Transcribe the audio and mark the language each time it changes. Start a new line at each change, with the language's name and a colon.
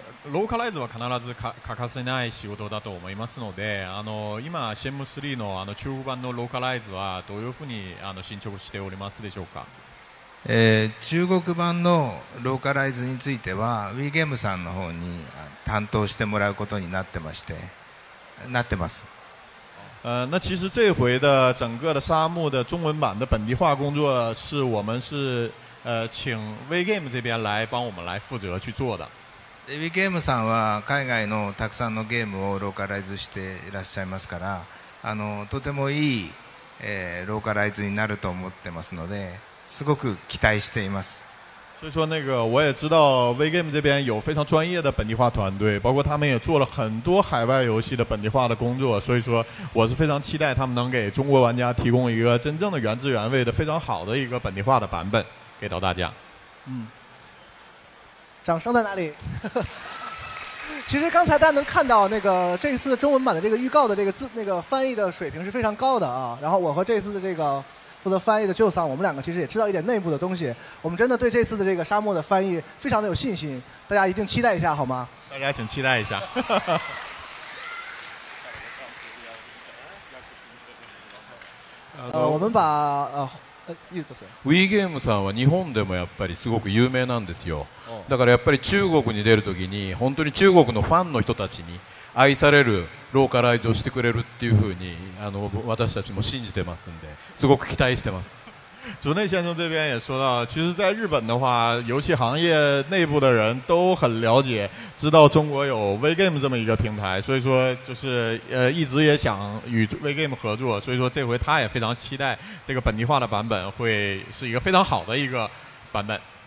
Japanese: ローカライズは必ず欠かせない仕事だと思いますので、今シェム3 の、 あの中国版のローカライズはどういうふうにあの進捗しておりますでしょうか？中国版のローカライズについては WeGame さんの方に担当してもらうことになってまして、なってます。
Chinese: 那其实这回的整个的沙漠的中文版的本地化工作是我们是请 WeGame 这边来帮我们来负责去做的。
Japanese: WeGame さんは海外のたくさんのゲームをローカライズしていらっしゃいますから、あのとてもいい、ローカライズになると思ってますので、すごく期待しています。
Chinese: 所以说那个我也知道 WeGame 这边有非常专业的本地化团队，包括他们也做了很多海外游戏的本地化的工作，所以说我是非常期待他们能给中国玩家提供一个真正的原汁原味的非常好的一个本地化的版本给到大家。掌声在哪里？其实刚才大家能看到那个这次中文版的这个预告的这个字，那个翻译的水平是非常高的啊。然后我和这次的这个负责翻译的旧桑，我们两个其实也知道一点内部的东西，我们真的对这次的这个沙漠的翻译非常的有信心，大家一定期待一下好吗？大家请期待一下。我们把
Japanese: WeGame さんは日本でもやっぱりすごく有名なんですよ。だからやっぱり中国に出るときに本当に中国のファンの人たちに愛されるローカライズをしてくれるっていうふうに私たちも信じてますんで、すごく期待してます。
Chinese: 竹内先生这边也说到，其实在日本的话，游戏行业内部的人都很了解，知道中国有 WeGame 这么一个平台，所以说就是一直也想与 WeGame 合作，所以说这回他也非常期待这个本地化的版本会是一个非常好的一个版本。